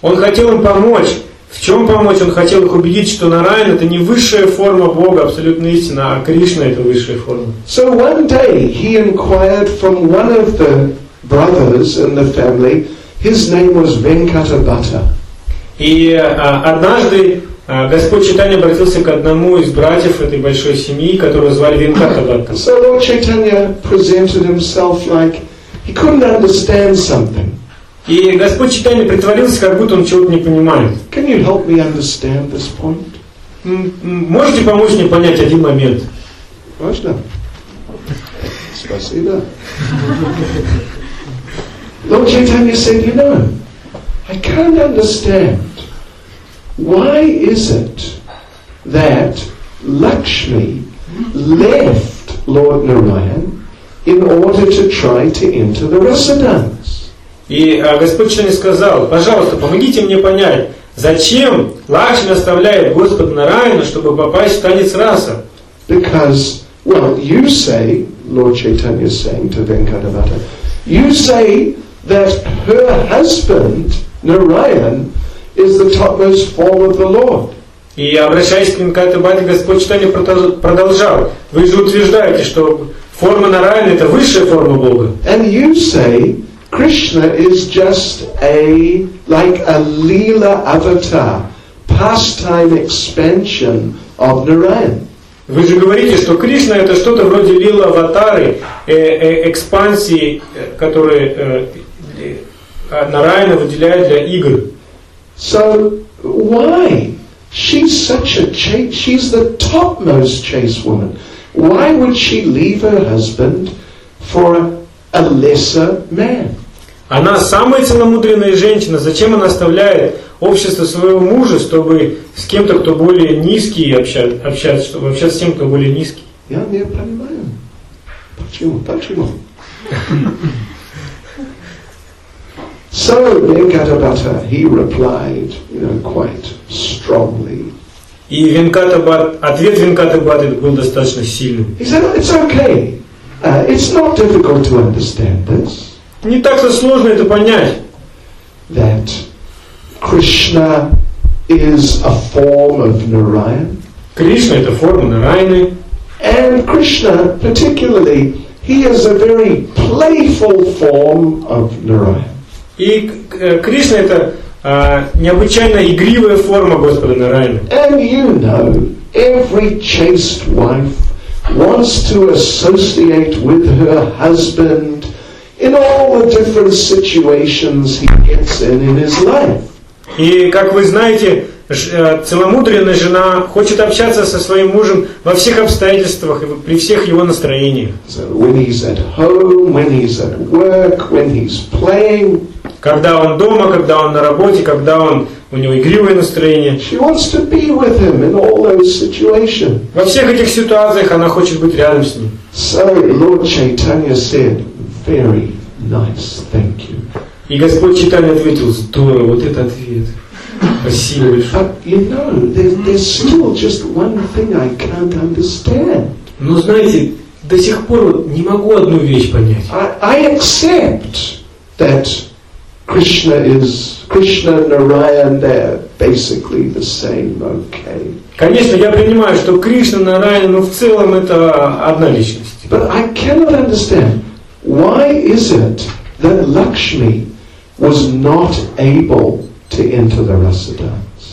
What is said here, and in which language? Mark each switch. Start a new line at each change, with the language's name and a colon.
Russian: Он хотел им помочь. В чем помочь? Он хотел их убедить, что Нараян это не высшая форма Бога, абсолютная истина, а Кришна это высшая форма.
English: So one day he inquired from one of the brothers in the family. His name was Venkata Bhatta.
Russian: И однажды Господь Чайтанья обратился к одному из братьев этой большой семьи, которого звали Венката Бхатта.
English: So Lord Chaitanya presented himself like he couldn't understand something.
Russian: И Господь Чайтанья притворился, как будто он чего-то не понимает.
English: Can you help me understand this point?
Russian: Можете помочь мне понять один момент? Можно? Спасибо.
English: Lord Chaitanya said, you know, I can't understand why is it that Lakshmi left Lord Narayan in order to try to enter the residence.
Russian: И Господь Чайтанья сказал, пожалуйста, помогите мне понять, зачем Лакшми оставляет Господа Нараяна, чтобы попасть в танец раса?
English: Because, well, you say, Lord Chaitanya is saying to Venkata Bhatta, you say that her husband, Narayan, is the topmost form of the Lord.
Russian: И обращаясь к Венкате Бхатте, Господь Чайтанья продолжал. Вы же утверждаете, что форма Нараяна – это высшая форма Бога.
English: And you say, Krishna is just a, like a Leela avatar, pastime expansion of Narayan.
Russian: Вы же говорите, что Кришна это что-то вроде лила аватары, экспансии, которые Нараяна выделяет для игр.
English: So why? She's such a chase, she's the topmost chase woman. Why would she leave her husband for a lesser man?
Russian: Она самая целомудренная женщина. Зачем она оставляет общество своего мужа, чтобы с кем-то, кто более низкий, общаться, чтобы общаться с тем, кто более низкий? Я не понимаю. Почему?
English: So Venkatabhata, he replied, you know, quite strongly.
Russian: И ответ Венкатабхаты был достаточно сильным.
English: He said, it's okay. It's not difficult to understand this.
Russian: Не так-то сложно это понять.
English: That Krishna is a form of Narayana.
Russian: Кришна это форма Нараяны.
English: And Krishna, particularly, he is a very playful form of Narayana.
Russian: И Кришна это необычайно игривая форма Господа Нараяны.
English: And you know, every chaste wife wants to associate with her husband in all the different situations he gets in his life.
Russian: И как вы знаете, целомудренная жена хочет общаться со своим мужем во всех обстоятельствах и при всех его настроениях.
English: So when he's at home, when he's at work, when he's playing.
Russian: Когда он дома, когда он на работе, когда он у него игривое настроение.
English: She wants to be with him in all those situations.
Russian: Во всех этих ситуациях она хочет быть рядом с ним.
English: So Lord Chaitanya said, very nice, thank you.
Russian: И Господь Чайтанья ответил, здорово, вот это ответ. Спасибо большое.
English: But you know, there's still just one thing I can't understand.
Russian: Но знаете, до сих пор не могу одну вещь понять.
English: I accept that Krishna and Narayana, they're basically the same, okay.
Russian: Конечно, я понимаю, что Кришна и Нараяна, но в целом это одна личность.
English: But I cannot understand, why is it that Lakshmi was not able to enter the Rasa dance?